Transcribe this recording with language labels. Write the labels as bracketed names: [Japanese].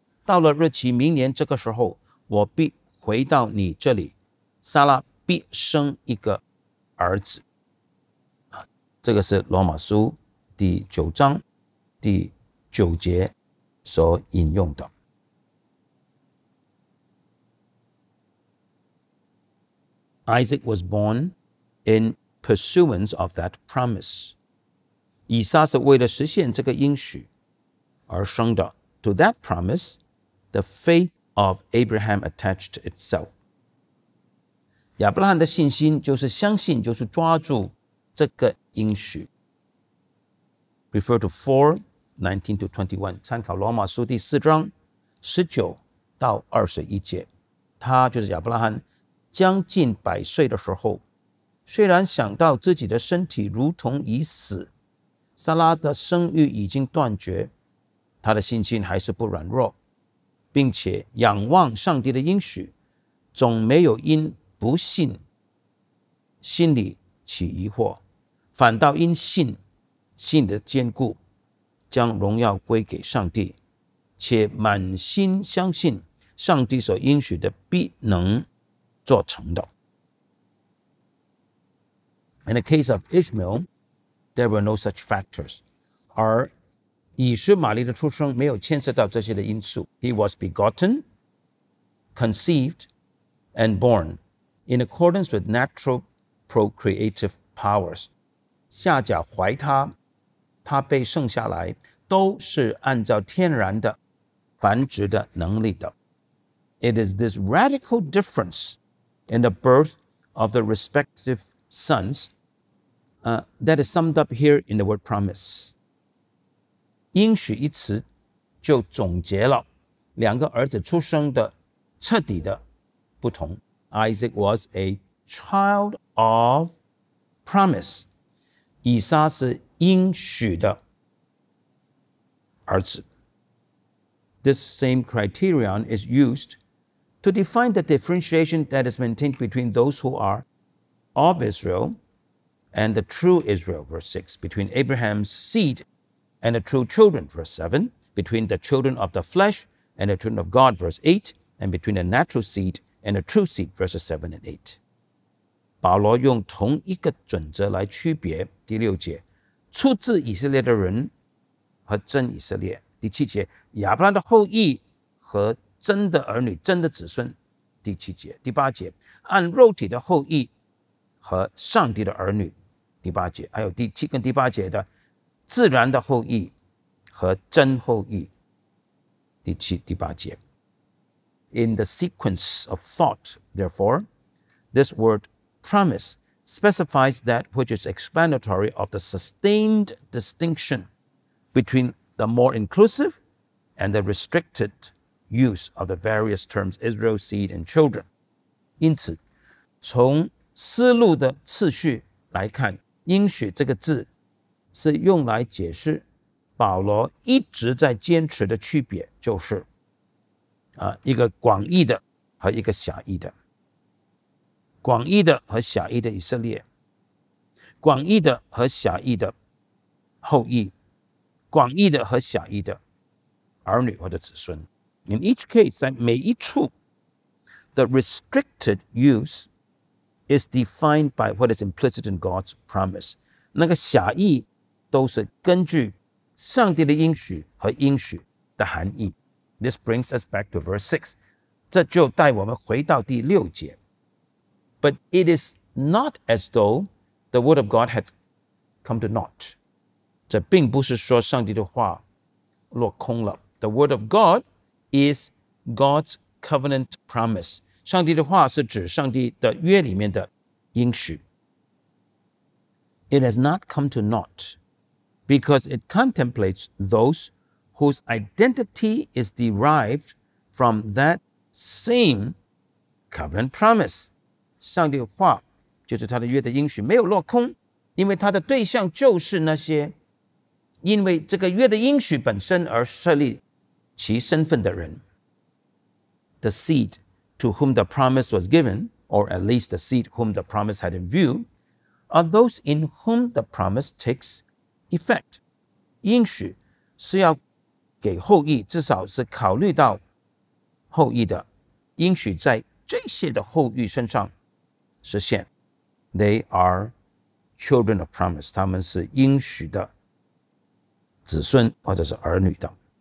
[Chinese] 到了日期明年这个时候我必回到你这里，撒拉必生一个儿子。这个是罗马书第九章第九节所引用的。 [English] Isaac was born in pursuance of that promise， [Chinese] 以撒是为了实现这个应许而生的。 [English] To that promise, the faith of Abraham attached itself. [Chinese] 亚伯拉罕的信心就是相信，就是抓住这个应许。 [English] Refer to [Chinese] 4:19-21, 参考罗马书第四章19-21节。他就是亚伯拉罕将近百岁的时候，虽然想到自己的身体如同已死，撒拉的生育已经断绝，他的信心还是不软弱，并且仰望上帝的应许，总没有因不信心里起疑惑，反倒因信信的坚固，将荣耀归给上帝，且满心相信上帝所应许的必能做成的。 [English] In the case of Ishmael, there were no such factors. [Chinese] 而以实玛利的出生没有牵涉到这些的因素。 [English] He was begotten, conceived, and born in accordance with natural procreative powers. [Chinese] 夏甲怀他，他被生下来，都是按照天然的繁殖的能力的。 [English] It is this radical difference in the birth of the respective sons, that is summed up here in the word promise. [Chinese] 应许一词就总结了两个儿子出生的彻底的不同。 [English] Isaac was a child of promise. [Chinese] 以撒是应许的儿子。 [English] This same criterion is used to define the differentiation that is maintained between those who are of Israel and the true Israel, verse 6, between Abraham's seed and the true children, verse 7, between the children of the flesh and the children of God, verse 8, and between the natural seed and the true seed, verses 7 and 8. [Chinese] 保罗用同一个准则来区别，第六节，出自以色列的人和真以色列，第七节，亚伯拉罕的后裔和真的儿女，真的子孙，第七节，第八节，按肉体的后裔和上帝的儿女，第八节，还有第七跟第八节的自然的后裔和真后裔，第七、第八节。 [English] In the sequence of thought, therefore, this word promise specifies that which is explanatory of the sustained distinction between the more inclusive and the restricted use of the various terms Israel, seed, and children. [Chinese] 因此，从思路的次序来看，应许这个字是用来解释保罗一直在坚持的区别，就是一个广义的和一个狭义的。广义的和狭义的以色列，广义的和狭义的后裔，广义的和狭义的儿女或者子孙。 [English] In each case, [Chinese] 在每一处 [English] the restricted use is defined by what is implicit in God's promise. [Chinese] 那个狭义都是根据上帝的应许和应许的含义。 [English] This brings us back to verse 6. [Chinese] 这就带我们回到第六节。 [English] But it is not as though the word of God had come to naught. [Chinese] 这并不是说上帝的话落空了。 [English] The word of God is God's covenant promise. [Chinese] 上帝的话是指上帝的约里面的应许。 [English] It has not come to naught because it contemplates those whose identity is derived from that same covenant promise. [Chinese] 上帝的话就是他的约的应许没有落空，因为他的对象就是那些因为这个约的应许本身而设立其身份的人。 [English] The seed to whom the promise was given, or at least the seed whom the promise had in view, are those in whom the promise takes effect. [Chinese] 应许是要给后裔，至少是考虑到后裔的，应许在这些的后裔身上实现。 [English] They are children of promise, [Chinese] 他们是应许的子孙或者是儿女的。